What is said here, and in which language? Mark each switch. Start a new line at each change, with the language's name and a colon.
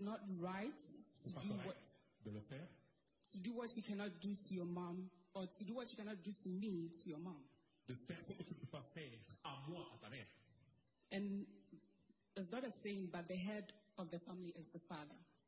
English: not right to do what you cannot do to your mom, or to do what you cannot do to me, to your mom.
French: De faire ce que tu peux pas faire à moi, à ta mère.
English: And it's not a saying, but the head of the family is the father.